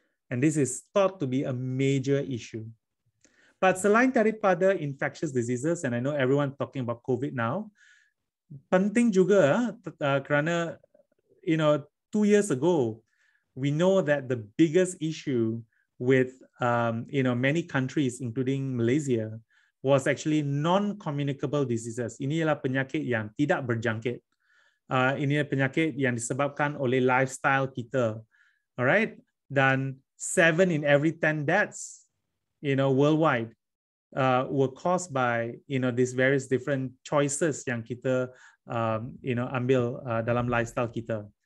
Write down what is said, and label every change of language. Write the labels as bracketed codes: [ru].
[en] And this is thought to be a major issue. But [ms] selain daripada [en] infectious diseases, and I know everyone talking about COVID now, [ms] penting juga kerana, [en] you know, 2 years ago, we know that the biggest issue with, you know, many countries, including Malaysia, was actually non-communicable diseases. [ms] Ini ialah penyakit yang tidak berjangkit. Ini ialah penyakit yang disebabkan oleh lifestyle kita. [en] Alright? Dan 7 in every 10 deaths, you know, worldwide, were caused by, you know, these various different choices [ms] yang kita, [en] you know, [ms] ambil dalam [en] lifestyle kita.